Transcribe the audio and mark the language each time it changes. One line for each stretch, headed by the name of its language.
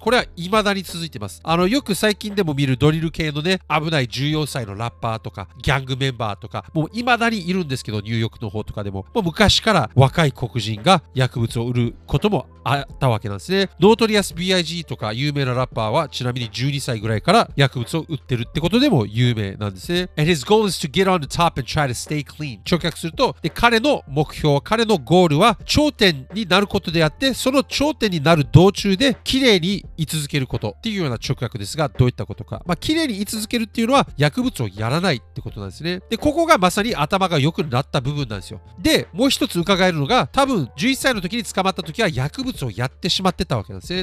Japanese: これは未だに続いてます。よく最近でも見るドリル系のね、危ない14歳のラッパーとか、ギャングメンバーとか、もう未だにいるんですけど、ニューヨークの方とかでも。もう昔から若い黒人が薬物を売ることもあったわけなんですね。ノートリアス B.I.G. とか有名なラッパーは、ちなみに12歳ぐらいから薬物を売ってるってことでも有名なんですね。
English: And his goal is to get on the top and try to stay clean.
Japanese: 直訳すると、で彼の目標は、彼のゴールは頂点になることであって、その頂点になる道中で綺麗に居続けることっていうような直訳ですが、どういったことか。まあ綺麗に居続けるっていうのは薬物をやらないってことなんですね。でここがまさに頭が良くなった部分なんですよ。でもう一つ伺えるのが、多分11歳の時に捕まった時は薬物をやってしまってたわけなんですね。